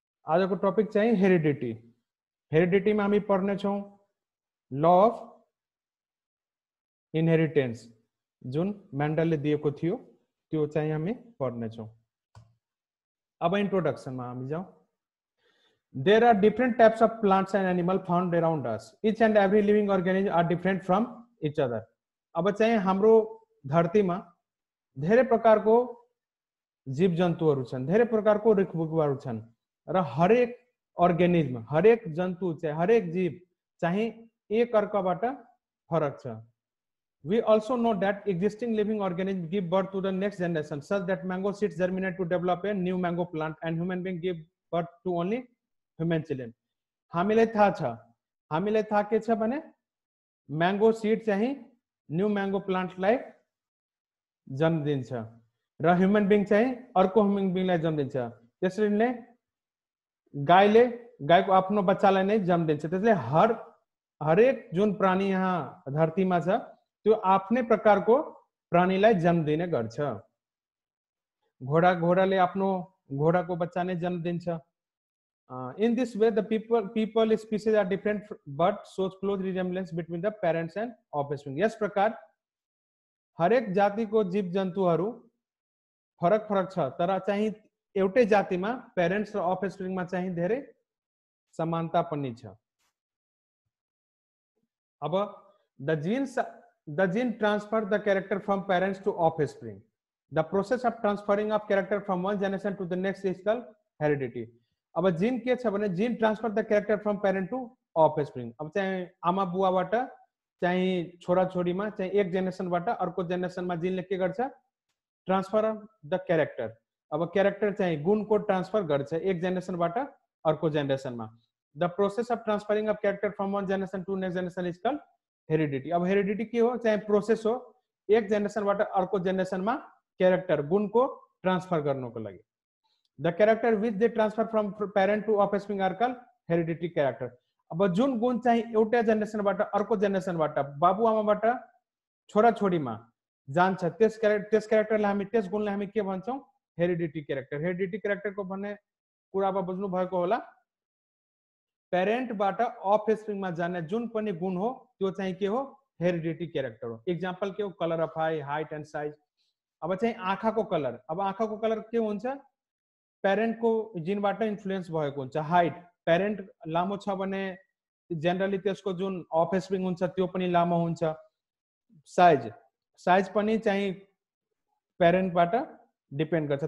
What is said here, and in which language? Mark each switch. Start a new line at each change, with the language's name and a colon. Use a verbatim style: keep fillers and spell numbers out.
Nepali: आजको टपिक चाहिँ हेरिडिटी। हेरिडिटीमा हामी पढ्ने छौँ ल अफ इनहेरिटेन्स, जुन मेन्डलले दिएको थियो त्यो चाहिँ हामी पढ्ने छौँ। अब इन्ट्रोडक्सनमा हामी जाउँ।
English: There are different types of plants and animal found around us. Each and every living organism are different from each other.
Nepali: अब चाहिँ हाम्रो धरतीमा धेरै प्रकारको जीव जन्तुहरू छन्, धेरै प्रकारको रुखबुकुवाहरू छन् र हरेक अर्गेनिज्म, हरेक जन्तु चाहिँ हरेक जीव चाहिँ एक अर्काबाट फरक छ।
English: We also know that existing living organism give birth to the next generation such that mango seeds germinate to develop a new mango plant and human being give birth to only human children.
Nepali: हामीलाई थाहा छ, हामीलाई थाहा के छ भने mango seed चाहिँ new mango प्लांटलाई जन्म दिन्छ र ह्युमन बीइंग चाहिँ अर्को ह्युमन बीइंगलाई जन्म दिन्छ। त्यसरी नै गाईले गाईको आफ्नो बच्चालाई नै जन्म दिन्छ। त्यसले हर हरेक जुन प्राणी यहाँ धरतीमा छ त्यो आफ्नै प्रकारको प्राणीलाई जन्म दिने गर्छ। घोडा घोडाले आफ्नो घोडाको बच्चा नै जन्म दिन्छ।
English: In this way the people people species are different but shows close resemblance between the parents and offspring.
Nepali: यस प्रकार हरेक जातिको जीव जन्तुहरू फरक फरक छ तर चाहिँ एउटै जातिमा पेरेन्ट्स र अफस्प्रिंगमा चाहिँ धेरै समानता पनि छ।
English: अब the genes the gene transfer the character from parents to offspring. The process of transferring of character from one generation to the next is called heredity.
Nepali: अब जीन के छ भने
English: Gene transfer the character from parent to offspring.
Nepali: अब चाहिँ आमा बुवाबाट चाहिँ छोरा छोरीमा चाहिँ एक जेनेरेसनबाट अर्को जेनेरेसनमा जीनले के गर्छ, ट्रान्सफर अफ द क्यारेक्टर। अब क्यारेक्टर चाहिँ गुणको ट्रान्सफर गर्छ एक जेनेरेसनबाट अर्को जेनेरेसनमा।
English: The process of transferring of character from one generation to next generation is called heredity.
Nepali: अब हेरिडिटी के हो, चाहिँ प्रोसेस हो एक जेनेरेसनबाट अर्को जेनेरेसनमा क्यारेक्टर गुणको ट्रान्सफर गर्नुको लागि।
English: The character which they transfer from parent to offspring are called heredity character.
Nepali: अब जुन गुण चाहिँ एउटा जेनेरेसनबाट अर्को जेनेरेसनबाट बाबुआमाबाट छोरा छोरीमा जान्छ त्यस क्यारेक्टर त्यस क्यारेक्टरलाई हामी त्यस गुणलाई हामी के भन्छौँ, हेरिडिटी क्यारेक्टर। हेरिडिटी क्यारेक्टरको भन्ने कुरा अब बुझ्नु भएको होला। पेरेन्टबाट अफस्प्रिंगमा जाने जुन पनि गुण हो त्यो चाहिँ के हो, हेरिडिटी क्यारेक्टर हो।
English: example
Nepali: के हो,
English: Colour of eye, height and size.
Nepali: अब चाहिँ आँखाको कलर, अब आँखाको कलर के हुन्छ, पेरेन्टको जिनबाट इन्फ्लुएन्स भएको हुन्छ। हाइट, पेरेन्ट लामो छ भने जेनरली त्यसको जुन अफस्प्रिंग हुन्छ त्यो पनि लामो हुन्छ। साइज साइज पनि चाहिँ पेरेन्टबाट डिपेन्ड गर्छ।